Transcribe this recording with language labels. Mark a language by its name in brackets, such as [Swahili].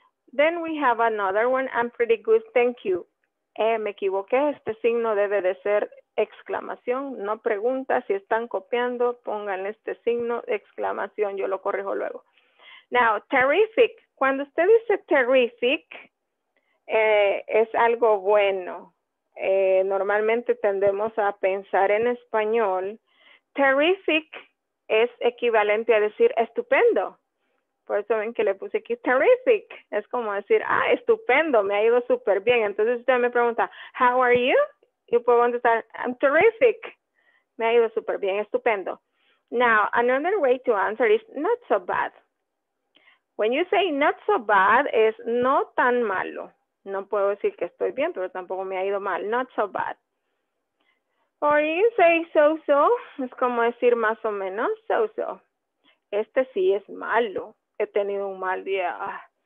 [English] Then we have another one, I'm pretty good, thank you. [Spanish] Me equivoqué, este signo debe de ser exclamación, no pregunta, si están copiando, pongan este signo de exclamación, yo lo corrijo luego. Now, terrific, cuando usted dice terrific, es algo bueno. Normalmente tendemos a pensar en español. Terrific es equivalente a decir estupendo. Por eso ven que le puse aquí terrific. Es como decir, ah, estupendo, me ha ido súper bien. Entonces usted me pregunta, [English] how are you? [Spanish] Yo puedo contestar, [English] I'm terrific. [Spanish] Me ha ido súper bien, estupendo. [English] Now, another way to answer is not so bad. When you say not so bad, [Spanish] es no tan malo. No puedo decir que estoy bien, pero tampoco me ha ido mal. [English] Not so bad. Or you say so-so. [Spanish] Es como decir más o menos so-so. Este sí es malo. He tenido un mal día.